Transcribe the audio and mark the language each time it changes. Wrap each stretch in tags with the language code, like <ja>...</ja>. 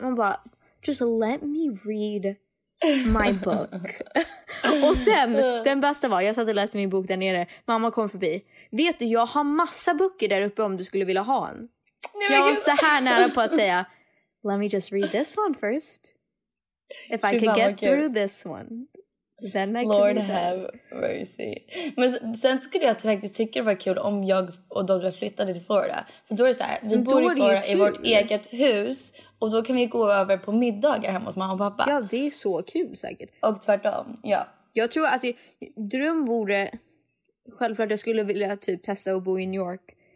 <sv>Man bara,</sv> <en>just let me read my book.</en> <sv>Och sen, den bästa var, jag satt och läste min bok där nere. Mamma kom förbi. Vet du, jag har massa böcker där uppe om du skulle vilja ha en. Nej, jag var så här nära på att säga,</sv> <en>let me just read this one first. If I can get through this one, then I Lord have mercy.</en> <sv>Men sen skulle jag faktiskt tycka det var kul om jag och Douglas flyttade till Florida. För då är det så här, vi bor i Florida i vårt eget hus. Och då kan vi gå över på middagar hemma hos mamma och pappa. Ja, det är så kul säkert. Och tvärtom, ja. Jag tror, alltså, dröm vore... Självklart, jag skulle vilja typ testa att bo i New York.</sv>